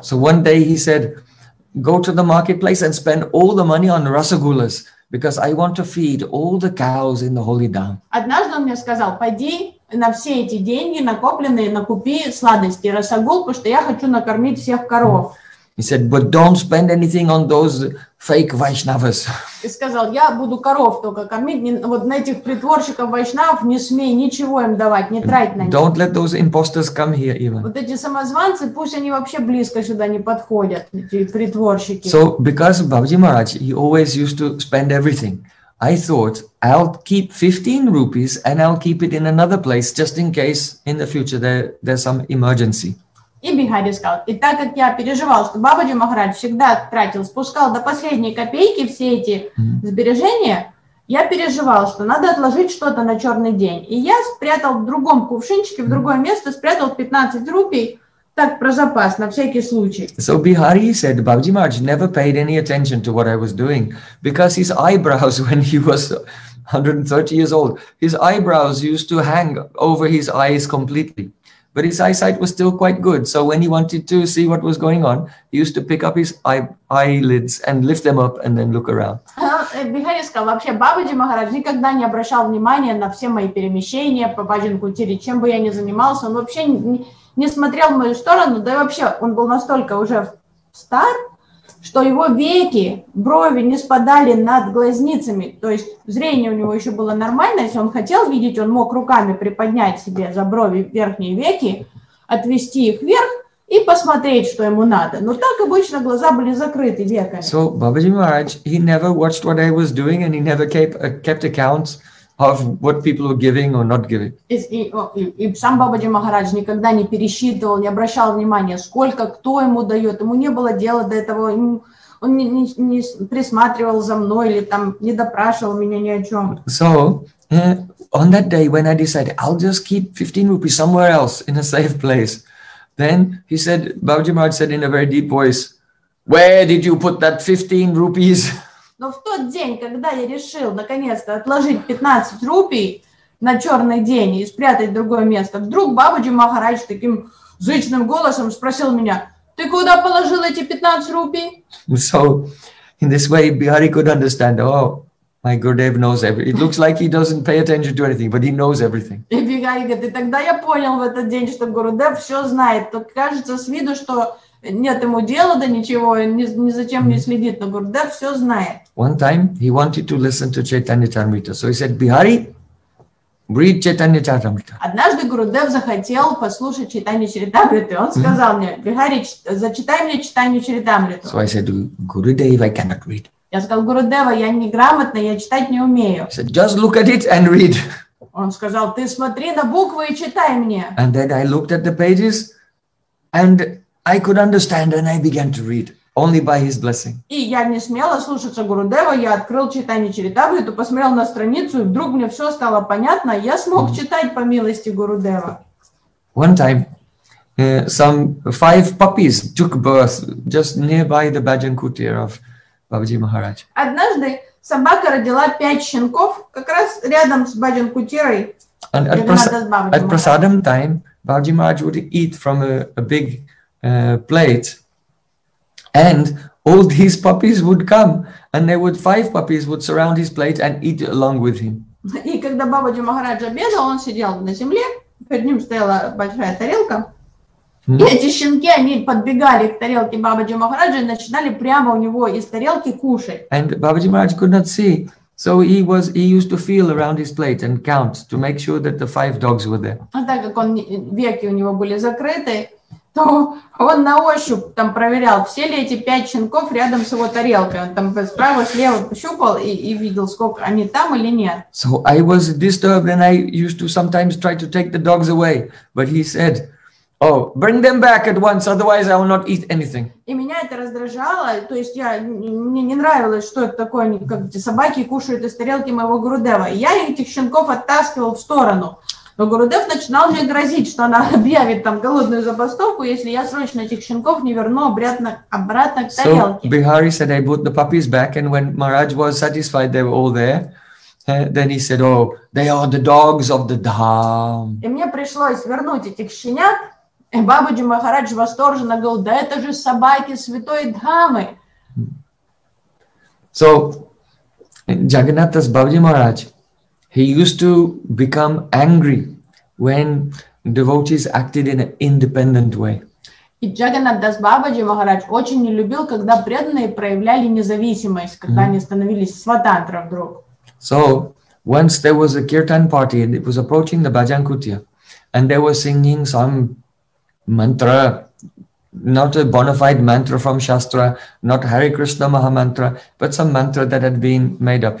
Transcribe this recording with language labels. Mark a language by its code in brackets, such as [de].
[en] So one day he said, go to the marketplace and spend all the money on rasagulas, because I want to feed all the cows in the holy dam. [ru] Однажды он мне сказал, пойди на все эти деньги, накопленные, накупи сладости, расагул, потому что я хочу накормить всех коров. [en] He said, but don't spend anything on those fake Vaishnavas. [ru] И сказал, я буду коров только кормить, вот на этих притворщиков Вайшнав не смей ничего им давать, не трать на них. [en] Don't let those imposters come here even. [ru] Вот эти самозванцы, пусть они вообще близко сюда не подходят, эти притворщики. [en] So, because Babaji Maharaj, he always used to spend everything. I thought, I'll keep 15 rupees and I'll keep it in another place, just in case in the future there's some emergency. [ru] И Бихари сказал, и так как я переживал, что Бабаджи Махарадж всегда тратил, спускал до последней копейки все эти сбережения, я переживал, что надо отложить что-то на черный день. И я спрятал в другом кувшинчике, в другое место, спрятал 15 рупий, так про запас, на всякий случай. [en] So Bihari said, Бабаджи Махарадж never paid any attention to what I was doing, because his eyebrows, when he was 130 years old, his eyebrows used to hang over his eyes completely. But his eyesight was still quite good. So when he wanted to see what was going on, he used to pick up his eyelids and lift them up and then look around. [ru] Бихари сказал, вообще Бабаджи Махарадж никогда не обращал внимания на все мои перемещения по Баджан-Кутире. Чем бы я ни занимался, он вообще не смотрел в мою сторону. Да и вообще, он был настолько уже стар, что его веки, брови не спадали над глазницами. То есть зрение у него еще было нормально. Если он хотел видеть, он мог руками приподнять себе за брови верхние веки, отвести их вверх и посмотреть, что ему надо. Но так обычно глаза были закрыты веками. [en] So, Babaji Maharaj, he never watched what I was doing and he never kept accounts of what people were giving or not giving. [ru] И сам Бабаджи Махарадж никогда не пересчитывал, не обращал внимания, сколько кто ему дает. Ему не было дела до этого. Он не присматривал за мной или там не допрашивал меня ни о чем. [en] So, on that day, when I decided, I'll just keep 15 rupees somewhere else in a safe place, then he said, Бабаджи Махарадж said in a very deep voice, where did you put that 15 rupees? [ru] Но в тот день, когда я решил наконец-то отложить 15 рупий на черный день и спрятать в другое место, вдруг Бабаджи Махарадж таким зычным голосом спросил меня, ты куда положил эти 15 рупий? [en] So, in this way, Bihari could understand, oh, my Gurudev knows everything. It looks like he doesn't pay attention to anything, but he knows everything. [ru] И Бихари говорит, и тогда я понял в этот день, что Гурудев все знает. То кажется с виду, что... Нет ему дела до ничего, ни за чем не следит, но Гурдев все знает. [en] One time he wanted to listen to Chaitanya Charamrita, so he said, Bihari, read Chaitanya Charamrita. [ru] Однажды Гурдев захотел послушать Chaitanya Charamrita, он сказал мне, Бихари, зачитай мне Chaitanya Charamrita. [en] So I said, Gurudev, I cannot read. [ru] Я сказал, Гурудева, я неграмотный, я читать не умею. [en] He said, just look at it and read. [ru] Он сказал, ты смотри на буквы и читай мне. [en] And then I looked at the pages and... I could understand and I began to read only by his blessing. [ru] И я не смела слушаться Гурудева, я открыл Чайтанья Чаритамриту, посмотрел на страницу, и вдруг мне все стало понятно, я смог читать по милости Гурудева. [en] One time, some five puppies took birth just nearby the Bhajan Kutir of Babaji Maharaj. [ru] Однажды собака родила пять щенков как раз рядом с Bhajan Kutirой. [en] And at prasadam time, Babaji Maharaj would eat from a big plate, and all these puppies would come, and there would five puppies would surround his plate and eat along with him. [ru] И когда Бабаджи Махарадж обедал, он сидел на земле, перед ним стояла большая тарелка, и эти щенки, они подбегали к тарелке Бабаджи Махараджа и начинали прямо у него из тарелки кушать. [en] And Бабаджи Махарадж could not see, so he used to feel around his plate and count to make sure that the five dogs were there. [ru] А так как он веки у него были закрыты, то он на ощупь там проверял, все ли эти пять щенков рядом с его тарелкой. Он там справа, слева пощупал и видел, сколько они там или нет. [en] So I was disturbed and I used to sometimes try to take the dogs away. But he said, oh, bring them back at once, otherwise I will not eat anything. [ru] И меня это раздражало, то есть мне не нравилось, что это такое, как эти собаки кушают из тарелки моего Гурудева. Я этих щенков оттаскивал в сторону. Но Гурудев начинал мне грозить, что она объявит там голодную забастовку, если я срочно этих щенков не верну обратно к тарелке. [en] So Bihari said, I brought the puppies back, and when Maharaj was satisfied they were all there, then he said, oh, they are the dogs of the Dham. [ru] И мне пришлось вернуть этих щенят, и Бабаджи Махарадж восторженно говорил, да это же собаки святой Дхамы. [en] So, Jagannatha's Бабаджи Махарадж, he used to become angry when devotees acted in an independent way. [ru] И Джаганнатх Дас Бабаджи Махарадж очень не любил, когда преданные проявляли независимость, когда они становились сватантра вдруг. [en] So, once there was a kirtan party, and it was approaching the bhajan kutya, and they were singing some mantra, not a bona fide mantra from Shastra, not Hare Krishna Maha Mantra, but some mantra that had been made up.